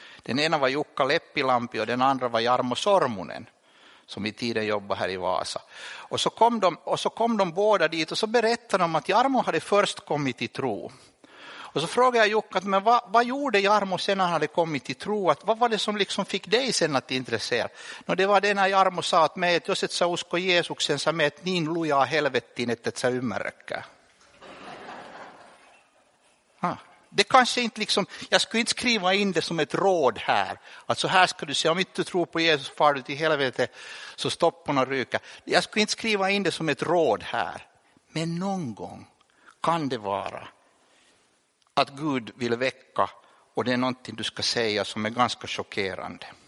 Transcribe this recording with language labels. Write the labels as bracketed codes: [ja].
[sv] Den ena var Jukka Leppilampi och den andra var Jarmo Sormunen, som i tiden jobbade här i Vasa. Och så kom de båda dit och så berättade de att Jarmo hade först kommit till tro. Och så frågade jag Jukka, men vad gjorde Jarmo sen när han hade kommit till tro? Att vad var det som liksom fick dig sen att intressera? No, det var det när Jarmo sa att med, [fi] jos et sä usko Jeesuksen, sä meet niin lujaa helvettiin, et sä ymmärräkään. [sv] Det kanske inte liksom, jag skulle inte skriva in det som ett råd här. Att så här ska du säga, om inte du tror på Jesus far du till helvete, så stopp på någon ryka. Jag skulle inte skriva in det som ett råd här. Men någon gång kan det vara att Gud vill väcka och det är någonting du ska säga som är ganska chockerande.